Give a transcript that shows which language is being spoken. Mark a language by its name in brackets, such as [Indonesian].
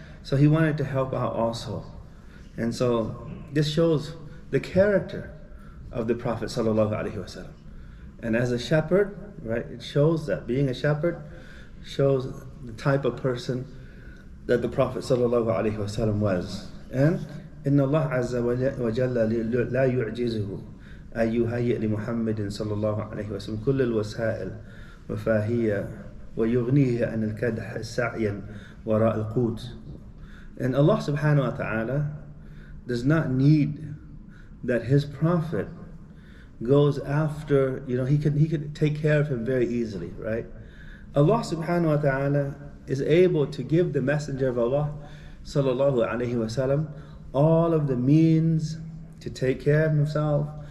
[English] So he wanted to help out also. And so this shows the character of the Prophet sallallahu alaihi wasallam. And as a shepherd, right, it shows that being a shepherd shows the type of person that the Prophet sallallahu alaihi wasallam was. And [Arabic] إن الله عز وجل لا يعجزه أن يهيئ لمحمد صلى الله عليه وسلم كل الوسائل وفاهية ويغنيه عن الكدح سعيا وراء القوت. [English] And Allah subhanahu wa ta'ala does not need that his prophet goes after, you know, he can take care of him very easily, right? Allah subhanahu wa ta'ala is able to give the Messenger of Allah sallallahu alayhi wa sallam all of the means to take care of himself.